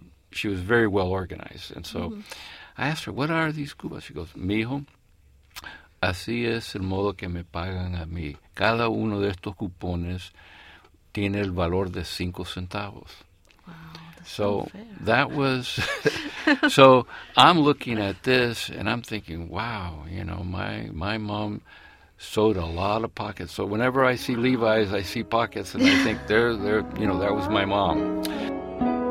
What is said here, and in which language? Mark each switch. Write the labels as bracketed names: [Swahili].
[English] She was very well organized. And so I asked her, what are these coupons? She goes, [Spanish] mijo, así es el modo que me pagan a mí. Cada uno de estos cupones tiene el valor de 5 centavos. [English] Wow, So I'm looking at this, and I'm thinking, wow, you know, my mom sewed a lot of pockets. So whenever I see Levi's, I see pockets, and I think there, you know, that was my mom.